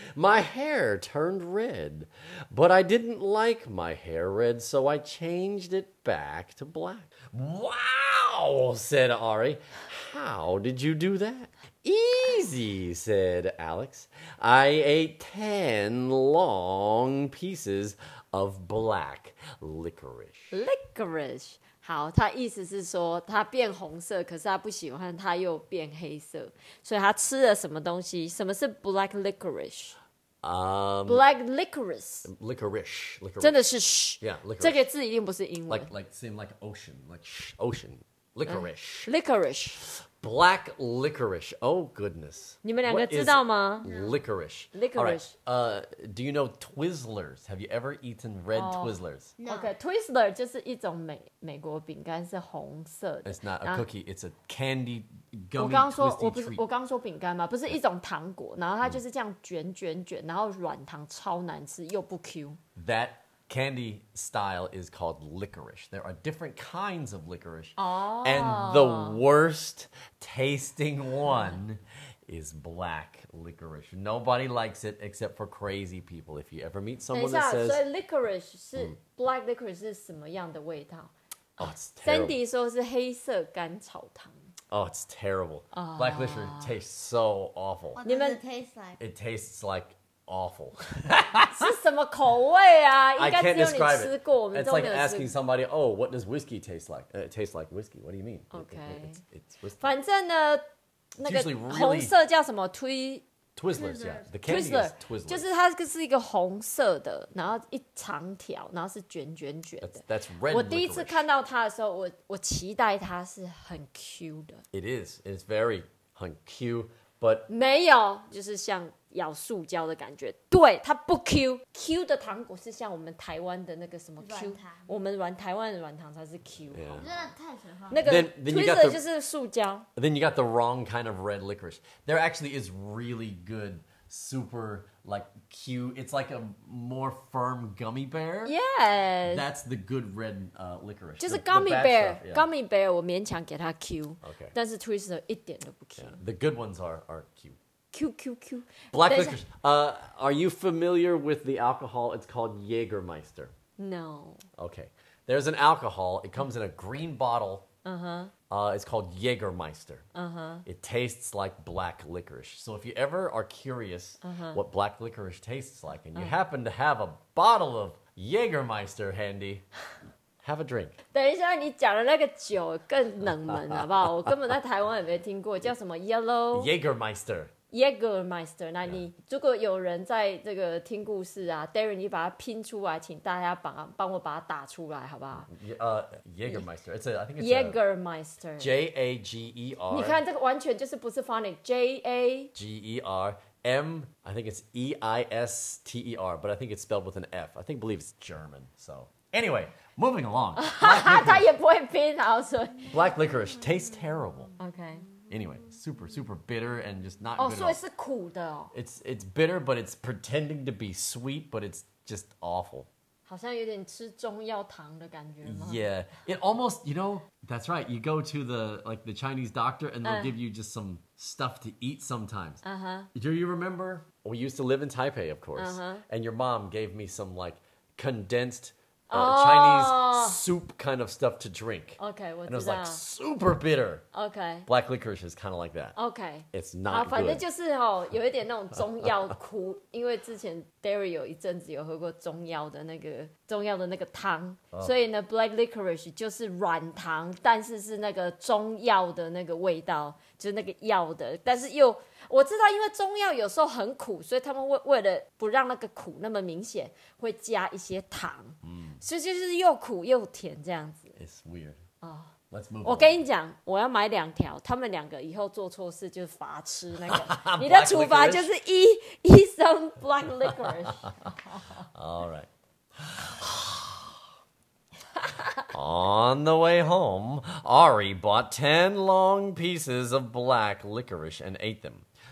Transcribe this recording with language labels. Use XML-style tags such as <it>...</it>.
<en>My hair turned red, but I didn't like my hair red, so I changed it back to black. Wow, said Ari. How did you do that? Easy, said Alex. I ate 10 long pieces of black licorice. Licorice.</en> <zh>好，他意思是说他变红色，可是他不喜欢他又变黑色，所以他吃了什么东西？什么是 black licorice？</zh> <en>Black licorice. Licorice.</en> <zh>真的是 sh.</zh> <en>Yeah, licorice.</en> <zh>这个字一定不是英文。</zh> <en>Like seem like ocean, like sh, ocean. Licorice. Licorice. Black licorice. Oh, goodness.</en> <zh>你们两个知道吗?</zh> <en>Licorice. Licorice. All right. Do you know Twizzlers? Have you ever eaten red Twizzlers? No.</en> <zh>Okay, Twizzler 就是一种美国饼干，是红色的。</zh> <en>It's not a cookie. It's a candy gummy twisty treat.</en> <zh>我刚说饼干吗？不是一种糖果，然后它就是这样卷卷卷，然后软糖超难吃，又不 Q.</zh> <en>That candy style is called licorice. There are different kinds of licorice. Oh. And the worst tasting one is black licorice. Nobody likes it except for crazy people. If you ever meet someone that says...</en> <zh>等一下，所以licorice 是black licorice 是什么样的味道?</zh> <en>Oh, it's terrible.</en> <zh>Sandy 说是黑色甘草糖。</zh> <en>Oh, it's terrible. Oh. Black licorice tastes so awful. What does it taste like? It tastes like... awful.</en> <zh>是什么口味啊?</zh> <en>I can't describe it. It's like asking somebody, oh, what does whiskey taste like? It tastes like whiskey. What do you mean? Okay. It's whiskey.</en> <zh>反正呢,那个红色叫什么?</zh> <en>Twizzlers, yeah. The candy is Twizzlers.</en> <zh>就是它是一个红色的,然后一长条,然后是卷卷卷的。</zh> <en>That's red licorice.</en> <zh>我第一次看到它的时候,我期待它是很 Q 的。</zh> <en>It is. It's very,</en> <zh>很 Q,</zh> <en>but...</en> <zh>没有,就是像咬塑胶的感觉，对，它不 Q。 Q 的糖果是像我们台湾的那个什么 Q， 我们软台湾的软糖才是 Q。我觉得碳水化那个 Twizzler 就是塑胶。</zh> <en>Then you got the wrong kind of red licorice. There actually is really good, super like Q. It's like a more firm gummy bear. Yes, that's the good red licorice.</en> <zh>就是 gummy bear,</zh> <en>stuff,、yeah.</en> <zh>gummy bear. 我勉强给它 Q。</zh> <en>Okay.</en> <zh>但是 Twizzler 一点都不 Q。</zh> <en>Yeah. The good ones are Q. QQQ. Black licorice. Are you familiar with the alcohol? It's called Jägermeister. No. Okay. There's an alcohol. It comes in a green bottle. Uh-huh. It's called Jägermeister. Uh-huh. It tastes like black licorice. So if you ever are curious、 uh-huh. what black licorice tastes like and you、uh-huh. happen to have a bottle of Jägermeister handy, have a drink.</en> <zh>等一下你讲的那个酒更冷门好不好我根本在台湾也没听过叫什么 Yellow?</zh> <en>Jägermeister.</en> <zh>Jägermeister, 那你、yeah. 如果有人在这个听故事啊 ，Darren， 你把它拼出来，请大家帮我把它打出来，好不好？</zh> <en>Jägermeister, it's a, I think it's Jägermeister, J A G E R.</en> <zh>你看这个完全就是不是 phonic, J A</zh> <en>G E R M. I think it's E I S T E R, but I think it's spelled with an F. I think believe it's German. So anyway, moving along.</en> <zh>他也不会拼，好所以</zh> <en>Black licorice tastes terrible. Okay. Anyway, super, super bitter and just not、 oh, good. Oh, so it's</en> <zh>苦的哦</zh> <en>It's bitter, but it's pretending to be sweet, but it's just awful.</en> <zh>好像有点吃中药糖的感觉吗</zh> <en>Yeah, it almost, you know, that's right. You go to the, like, the Chinese doctor and they'll give you just some stuff to eat sometimes. Uh-huh. Do you remember? We used to live in Taipei, of course. Uh-huh. And your mom gave me some, like, condensed...、 Chinese soup kind of stuff to drink. Okay, and it was like super bitter. Okay. Black licorice is kind of like that. Okay. It's not good.</en> <zh>反正就是齁，有一点那种中药苦，因为之前 Derry 有一阵子有喝过中药的那个汤，所以呢 ，black licorice 就是软糖，但是是那个中药的那个味道，就是那个药的，但是又。我知道因为中药有时候很苦，所以他们 为了不让那个苦那么明显，会加一些糖，所以就是又苦又甜这样子。</zh> <en>It's weird、Let's move</en> <zh>我跟你讲，我要买两条，他们两个以后做错事就是罚吃那个你的处罚就是</zh> <en>eat some black licorice. Alright. On the way home, Ari bought 10 long pieces of black licorice and ate them.</en>